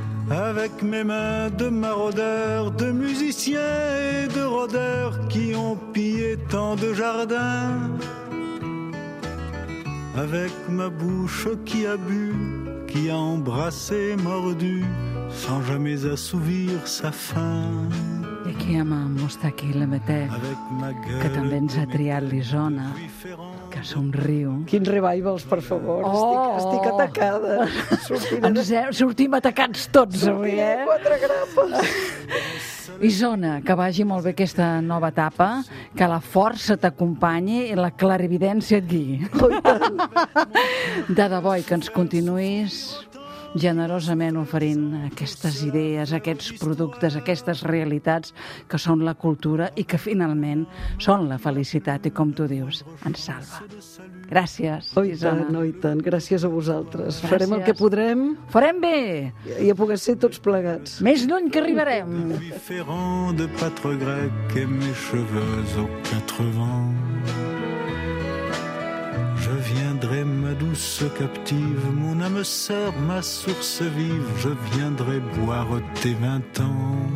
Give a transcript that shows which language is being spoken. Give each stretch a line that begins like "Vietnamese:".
French: Avec mes mains de maraudeurs, de musiciens et de rôdeurs qui ont pillé tant de jardins. Avec ma bouche qui a bu, qui a embrassé, mordu, sans jamais assouvir sa faim.
Catalan: I aquí amb en Moustaki Lemetec, que també ens ha triat l'Isona, que somriu. Quins revivals, per favor. Oh, estic atacada. Sortim atacats tots avui, eh? Sortim quatre grapes. Isona, que vagi molt bé aquesta nova etapa, que la força t'acompanyi i la clarividència et guiï. De debò, i que ens continuïs generosament oferint aquestes idees, aquests productes, aquestes realitats que són la cultura i que finalment són la felicitat i, com tu dius, ens salva. Gràcies, Isona. Oi tant, gràcies a vosaltres. Gràcies. Farem el que podrem. Farem bé. I a poder ser tots plegats. Més lluny que arribarem.
French: De patre grec et mes cheveux aux quatre vents. Je viendrai, ma douce captive, mon âme sœur, ma source vive, je viendrai boire tes vingt ans.